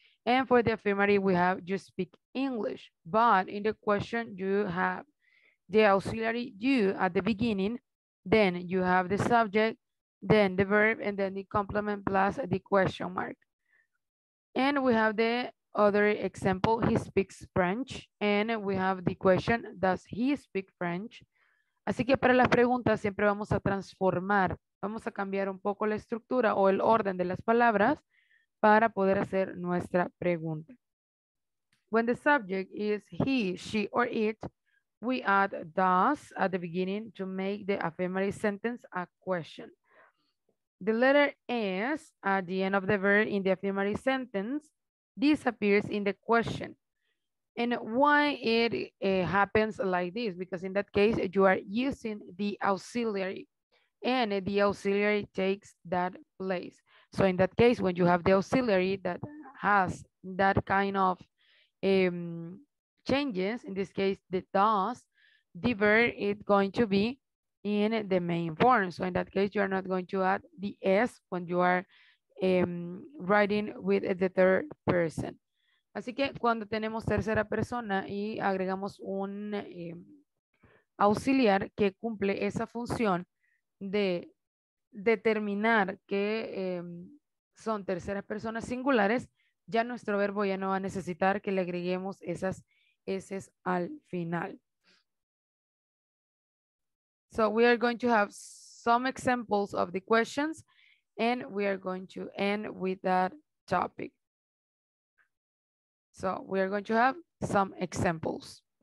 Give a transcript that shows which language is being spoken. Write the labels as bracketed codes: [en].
[en] And for the affirmative, we have you speak English, but in the question, you have the auxiliary you at the beginning, then you have the subject, then the verb, and then the complement plus the question mark. And we have the other example, he speaks French, and we have the question, does he speak French? [es] Así que para las preguntas siempre vamos a transformar, vamos a cambiar un poco la estructura o el orden de las palabras para poder hacer nuestra pregunta. [en] When the subject is he, she, or it, we add does at the beginning to make the affirmative sentence a question. The letter S at the end of the verb in the affirmative sentence disappears in the question. And why it happens like this? Because in that case, you are using the auxiliary and the auxiliary takes that place. So in that case, when you have the auxiliary that has that kind of changes, in this case, the does, the verb is going to be in the main form. So in that case, you are not going to add the S when you are writing with the third person. [es] Así que cuando tenemos tercera persona y agregamos un auxiliar que cumple esa función de determinar que son terceras personas singulares, ya nuestro verbo ya no va a necesitar que le agreguemos esas ese es al final. [en] So we are going to have some examples of the questions and we are going to end with that topic. So we are going to have some examples.